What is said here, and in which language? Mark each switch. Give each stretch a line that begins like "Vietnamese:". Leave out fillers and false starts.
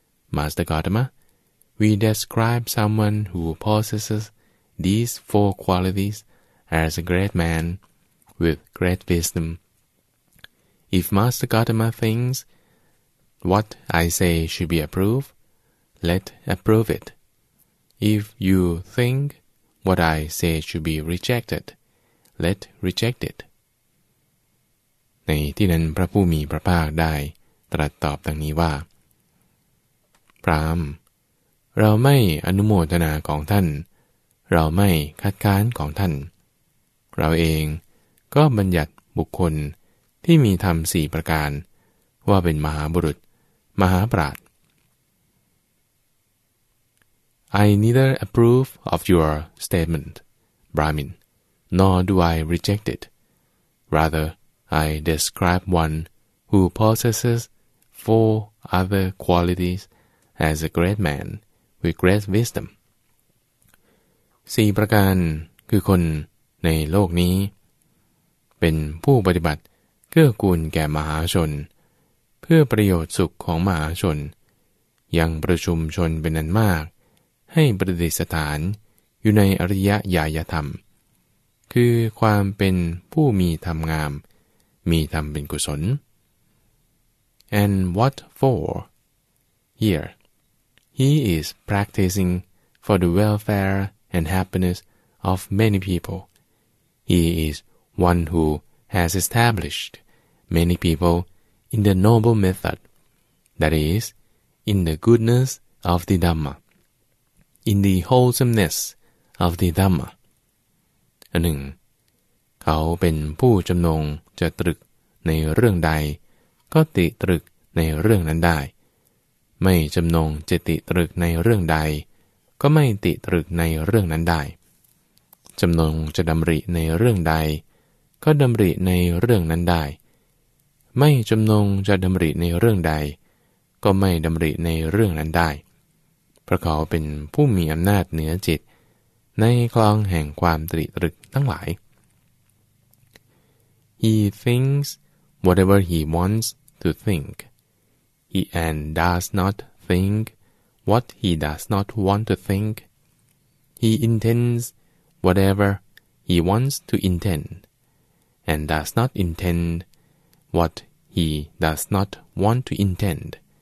English: Master Gautama, we describe someone who possesses these four qualities as a great man with great wisdom. If Master Gautama thinks what I say should be approved, let approve it. If you thinkWhat I say should be rejected, let reject it.
Thai: ในที่นั้นพระผู้มีพระภาคได้ตรัสตอบดังนี้ว่าพราหมณ์เราไม่อนุโมทนาของท่านเราไม่คัดค้านของท่านเราเองก็บัญญัติบุคคลที่มีธรรมสี่ประการว่าเป็นมหาบุรุษมหาปราชญ์
English: I neither approve of your statement, Brahmin, nor do I reject it. Rather, I describe one who possesses four other qualities as a great man with great wisdom.
Thai: สี่ประการคือคนในโลกนี้เป็นผู้ปฏิบัติ เกื้อกูลแก่มหาชนเพื่อประโยชน์สุขของมหาชนยังประชุมชนเป็นอันมากให้ประดิษฐานอยู่ในอริยญาณธรรมคือความเป็นผู้มีธรรมงามมีธรรมเป็นกุศล
English: And what for? Here, he is practicing for the welfare and happiness of many people. He is one who has established many people in the noble method, that is, in the goodness of the Dhamma, in the wholesomeness of the Dhamma.
Thai: อันหนึ่งเขาเป็นผู้จำนงจะตรึกในเรื่องใดก็ติตรึกในเรื่องนั้นได้ไม่จำนงจะติตรึกในเรื่องใดก็ไม่ติตรึกในเรื่องนั้นได้ จำนงจะดำริในเรื่องใดก็ดำริในเรื่องนั้นได้ไม่จำนงจะดำริในเรื่องใดก็ไม่ดำริในเรื่องนั้นได้พระเขาเป็นผู้มีอำนาจเหนือจิตในคลองแห่งความติตรึกทั้งหลาย
English: He thinks whatever he wants to think. He and does not think what he does not want to think. He intends whatever he wants to intend, and does not intend what he does not want to intend.